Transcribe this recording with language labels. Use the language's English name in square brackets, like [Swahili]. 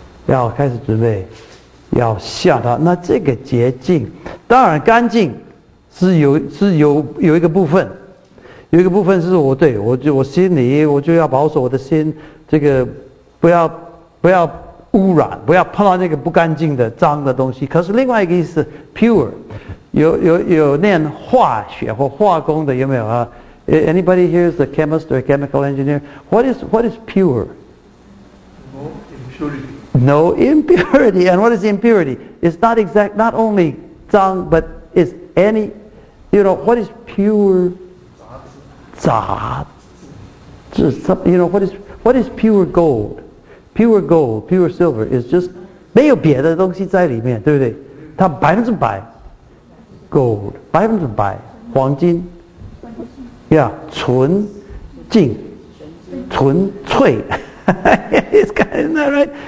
[Chinese] 要开始准备要向他。那这个洁净当然干净是有一个部分，有一个部分是我对我就我心里我就要保守我的心，这个不要污染，不要碰到那个不干净的脏的东西。可是另外一个意思 pure， 有念化学或化工的，有没有啊？ [English] Anybody here is a chemist or a chemical engineer？ What is pure？ No impurity. And what is impurity? It's not only 脏, but is any, you know, what is pure? [Chinese] 杂质 [English] You know, what is pure gold? Pure gold, pure silver is just [Chinese] 没有别的东西在里面，对不对？它百分之百 gold， 百分之百黄金 yeah， 纯净纯粹 [English] It's kind of, isn't that right?